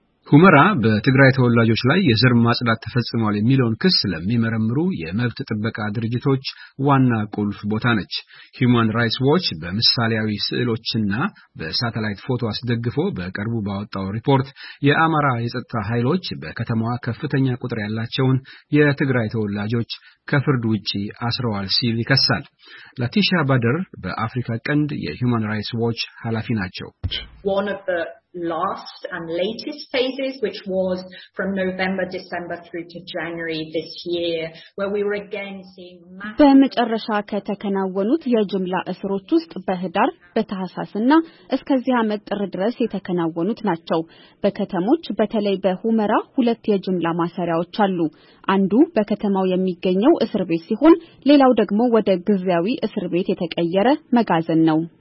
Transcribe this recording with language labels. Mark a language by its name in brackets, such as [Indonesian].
[Amharic] ሁመራ በትግራይ ተወላጆች ላይ የዘር ማጽዳት ተፈጽሟል የሚለውን ክስ ለሚመረምሩ የመብት ጥበቃ ድርጅቶች ዋና ቁልፍ ቦታ ነች። Human Rights Watch በምሳሌያዊ ስዕሎችና በሳተላይት ፎቶ አስደግፎ በቅርቡ ባወጣው ሪፖርት የአማራ የጸጥታ ኃይሎች በከተማዋ ከፍተኛ ቁጥር ያላቸውን የትግራይ ተወላጆች ከፍርድ ውጪ አስረዋል ሲል ይከሳል። ላቲሻ ባደር በአፍሪካ ቀንድ የHuman Rights Watch ኃላፊ ናቸው። [English] Last and latest phases, which was from November, December through to January this year, where we were again seeing [Amharic] በመጨረሻ ከተከናወኑት የጅምላ እስሮች ውስጥ በህዳር በተሐሳስና እስከዚህ አመት ጥር ድረስ የተከናወኑት ናቸው። በከተሞች በተለይ በሁመራ ሁለት የጅምላ ማሰሪያዎች አሉ። አንዱ በከተማው የሚገኘው እስር ቤት ሲሆን ሌላው ደግሞ ወደ ግዚያዊ እስር ቤት የተቀየረ መጋዘን ነው።